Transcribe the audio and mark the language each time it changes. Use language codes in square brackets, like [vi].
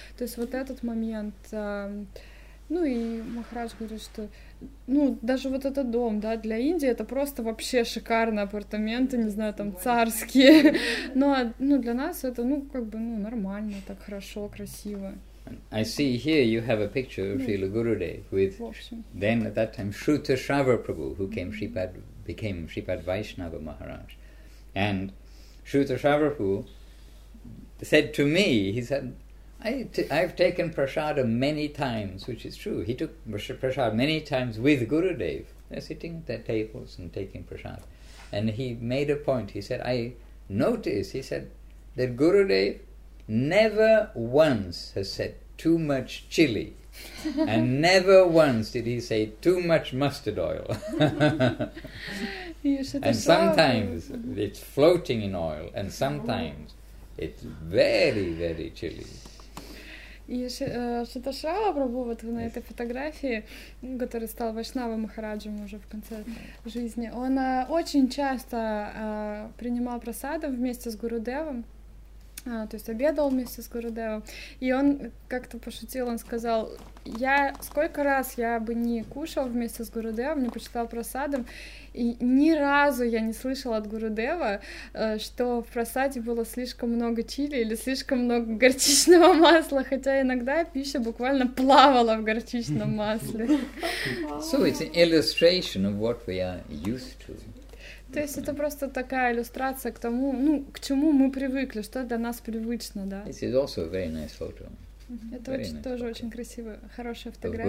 [ru] То есть вот этот момент. Ну и Махарадж говорит, что, ну, даже вот этот дом, да, для Индии это просто вообще шикарные апартаменты, не знаю, там, царские. Но, ну, для нас это, ну, как бы, ну, нормально, так хорошо, красиво. [en] I see here you have a picture of Srila Gurudev with, then at that time, Shruta Shravar Prabhu, who came became Shripad Vaishnava Maharaj. And Shruta Shravar Prabhu said to me, he said, I've taken prasadam many times, which is true. He took prasadam many times with Gurudev. They're sitting at their tables and taking prasadam. And he made a point. He said, that Gurudev never once has said too much chili. And never once did he say too much mustard oil. And sometimes it's floating in oil, and sometimes it's very, very chili. [ru] И Шрита Шрава Прабху вот на этой фотографии, который стал Вайшнава Махараджем уже в конце жизни, он очень часто принимал прасадам вместе с Гурудевом, то есть обедал вместе с Гурудевом, и он как-то пошутил, он сказал, сколько раз я бы не кушал вместе с Гурудевом, не почитал прасадам, и ни разу я не слышал от Гурудева, что в прасаде было слишком много чили или слишком много горчичного масла, хотя иногда пища буквально плавала в горчичном масле. [en] So it's an illustration of what we are used to. [ru] То есть это просто такая иллюстрация к тому, ну, к чему мы привыкли, что для нас привычно, да. [en] This is also a very nice photo. [ru] Это очень, [en] nice [ru] тоже [en] photo. [ru] Очень красивая, хорошая фотография.